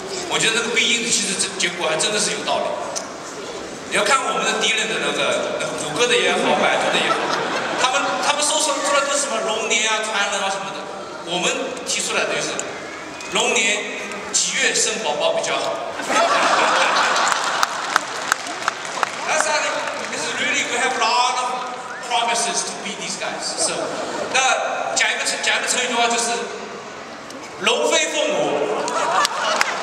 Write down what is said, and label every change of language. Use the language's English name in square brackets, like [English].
[Chinese] 我觉得那个Bing其实这结果还真的是有道理。你要看我们的敌人的那个谷歌的也好，百度的也好，他们搜索出来都是什么龙年啊、传人啊什么的。我们提出来的就是龙年几月生宝宝比较好。 [English] That's actually is really we have a lot of promises to beat these guys. So, [Chinese] 那讲一个成语的话就是龙飞凤舞。